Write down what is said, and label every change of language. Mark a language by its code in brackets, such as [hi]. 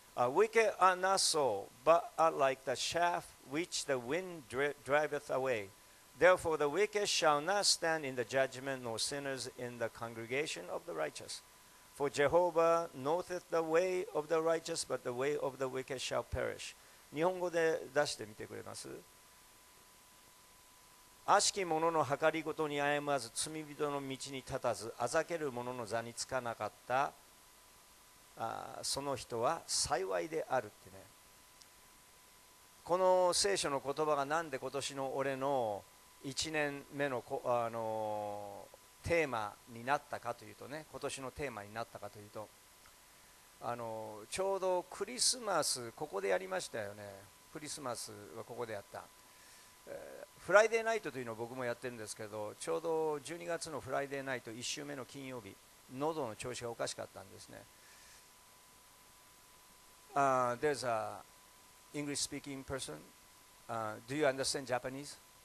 [en] Wicked are not so, but are like the chaff which the wind driveth away. Therefore the wicked shall not stand in the judgment, nor sinners in the congregation of the righteous. For Jehovah knoweth the way of the righteous, but the way of the wicked shall perish. [ja] 日本語で出してみてくれます？悪しき者の計りごとに歩まず、罪人の道に立たず、あざける者の座につかなかった、その人は幸いであるってね。この聖書の言葉がなんで今年の俺の1年目 の, あのテーマになったかというとね、今年のテーマになったかというと、あのちょうどクリスマスここでやりましたよね。クリスマスはここでやった、フライデーナイトというのを僕もやってるんですけど、ちょうど12月のフライデーナイト1週目の金曜日、喉の調子がおかしかったんですね。 [en] There's an English speaking person、Do you understand Japanese?